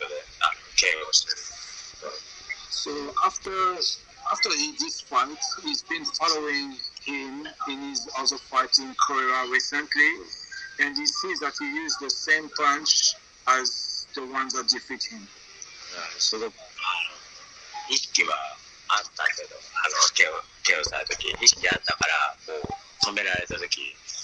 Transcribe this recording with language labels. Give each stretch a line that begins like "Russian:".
Japanese: 最新の彼の最新の韓国での試合も確かレッドストレートで KOしてる。So
English: after this fight, he's been following him in his other fight in Korea recently, and he sees that he used the same punch as the ones that defeat him.
Japanese: すごく意識はあったけど、KOされた時意識あったから、もう止められた時。